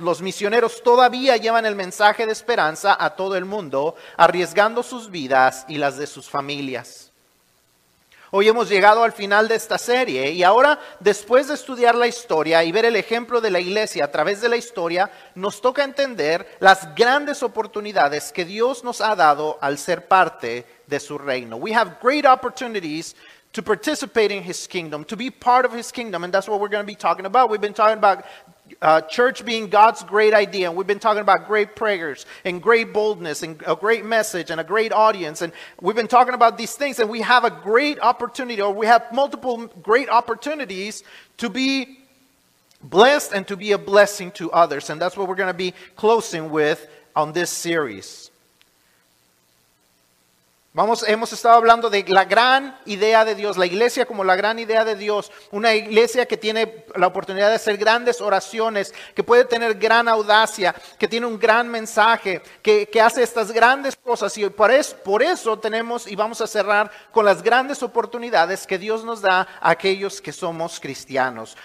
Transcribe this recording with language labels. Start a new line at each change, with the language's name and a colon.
Spanish: Los misioneros todavía llevan el mensaje de esperanza a todo el mundo, arriesgando sus vidas y las de sus familias. Hoy hemos llegado al final de esta serie y ahora, después de estudiar la historia y ver el ejemplo de la iglesia a través de la historia, nos toca entender las grandes oportunidades que Dios nos ha dado al ser parte de su reino.
English: We have great opportunities to participate in His kingdom, to be part of His kingdom, and that's what we're going to be talking about. We've been talking about church being God's great idea, and we've been talking about great prayers and great boldness and a great message and a great audience, and we've been talking about these things, and we have a great opportunity, or we have multiple great opportunities to be blessed and to be a blessing to others, and that's what we're going to be closing with on this series.
Spanish: Hemos estado hablando de la gran idea de Dios, la iglesia como la gran idea de Dios, una iglesia que tiene la oportunidad de hacer grandes oraciones, que puede tener gran audacia, que tiene un gran mensaje, que hace estas grandes cosas, y por eso tenemos y vamos a cerrar con las grandes oportunidades que Dios nos da a aquellos que somos cristianos.